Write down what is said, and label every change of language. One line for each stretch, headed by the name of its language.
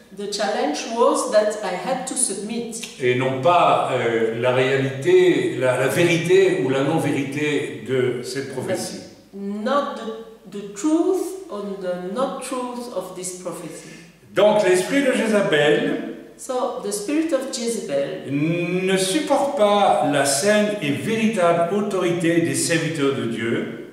English: the challenge was that I had to submit,
French: et non pas la réalité, la vérité ou la non-vérité de cette prophétie.
English: Not the truth on the not truth of this prophecy.
French: Donc l'esprit de Jézabel,
English: so the spirit of Jezebel,
French: ne supporte pas la saine et véritable autorité des serviteurs de Dieu.